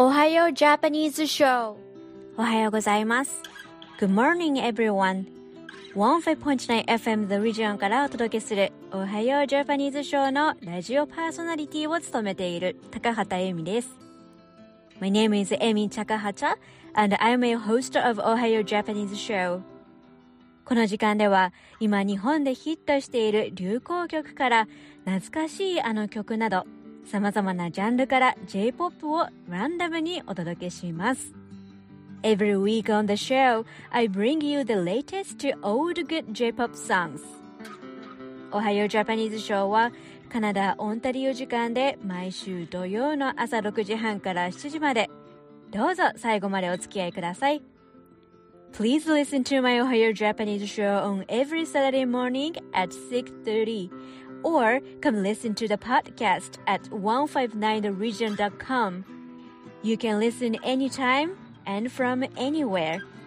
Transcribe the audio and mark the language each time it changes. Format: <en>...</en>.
<ja>おはようジャパニーズショー、おはようございます。</ja> <en>Good morning everyone。</en> <ja>15.9 FM The Region からお届けするおはようジャパニーズショーのラジオパーソナリティを務めている高畑由美です。</ja> <en>My name is Amy Takahata and I'm a host of おはようジャパニーズショー。</en> <ja>この時間では今日本でヒットしている流行曲から懐かしいあの曲など様々なジャンルから J-POP をランダムにお届けします。</ja> <en>Every week on the show I bring you the latest to old good J-POP songs。</en> <ja>おはようジャパニーズショーはカナダオンタリオ時間で毎週土曜の朝6時半から7時まで、どうぞ最後までお付き合いください。</ja> <en>Please listen to my Ohio Japanese show on every Saturday morning at 6:30. Or come listen to the podcast at 159theregion.com. You can listen anytime and from anywhere.</en>